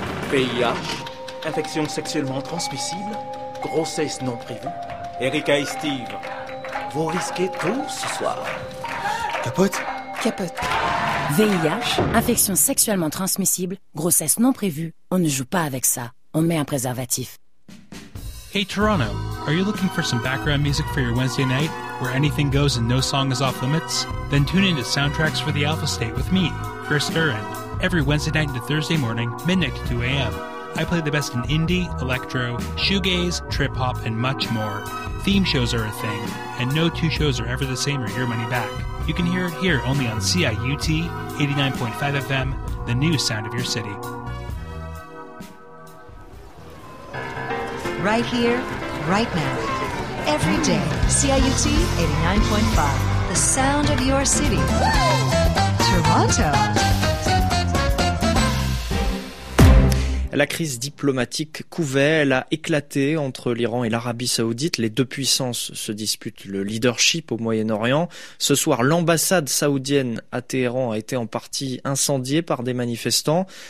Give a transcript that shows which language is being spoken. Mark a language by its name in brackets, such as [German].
[French] VIH, infection sexuellement transmissible, grossesse non prévue, Erika et Steve, vous risquez tout ce soir. Capote ? Capote. VIH, infection sexuellement transmissible, grossesse non prévue, on ne joue pas avec ça, on met un préservatif. [English] Hey Toronto, are you looking for some background music for your Wednesday night? Where anything goes and no song is off limits? Then tune in to Soundtracks for the Alpha State with me, Chris Duran. Every Wednesday night into Thursday morning, midnight to 2 a.m. I play the best in indie, electro, shoegaze, trip-hop, and much more. Theme shows are a thing, and no two shows are ever the same or your money back. You can hear it here only on CIUT 89.5 FM, the new sound of your city. Right here, right now. Every day, CIUT 89.5, the sound of your city, Toronto. [French] La crise diplomatique couvait, elle a éclaté entre l'Iran et l'Arabie Saoudite. Les deux puissances se disputent le leadership au Moyen-Orient. Ce soir, l'ambassade saoudienne à Téhéran a été en partie incendiée par des manifestants.